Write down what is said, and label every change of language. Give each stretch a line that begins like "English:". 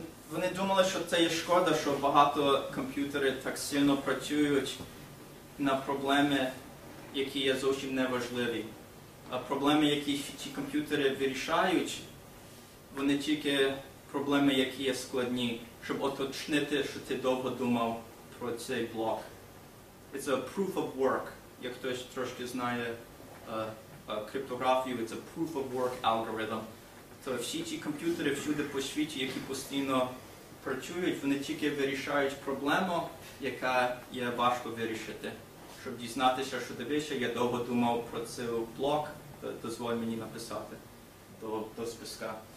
Ukrainian: Вони думали, що це є шкода, що багато комп'ютери так сильно працюють на проблеми, які є зовсім неважливі. А проблеми, які ці комп'ютери вирішають, вони тільки проблеми, які є складні, щоб уточнити, що ти довго думав про цей блок.
English: It's a proof of work.
Ukrainian: Як хтось трошки знає криптографію,
English: it's a proof of work algorithm.
Ukrainian: То всі ці комп'ютери всюди по світі, які постійно працюють, вони тільки вирішають проблему, яка є важко вирішити. Щоб дізнатися, що дивися, я довго думав про цей блок, дозволь мені написати до списка.